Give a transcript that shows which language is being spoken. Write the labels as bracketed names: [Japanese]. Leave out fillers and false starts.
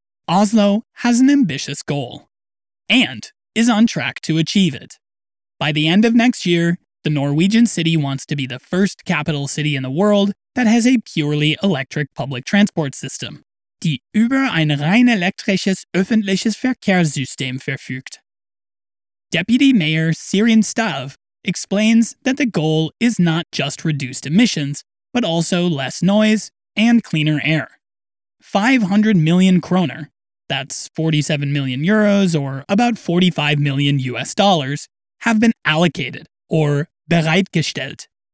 [English] Oslo has an ambitious goal, and is on track to achieve it. By the end of next year, the Norwegian city wants to be the first capital city in the world that has a purely electric public transport system. [German] Die über ein rein elektrisches öffentliches Verkehrssystem verfügt. [English] Deputy Mayor Sirin Stav explains that the goal is not just reduced emissions, but also less noise and cleaner air. 500 million kroner, that's 47 million euros or about 45 million US dollars, have been allocated, or bereitgestellt.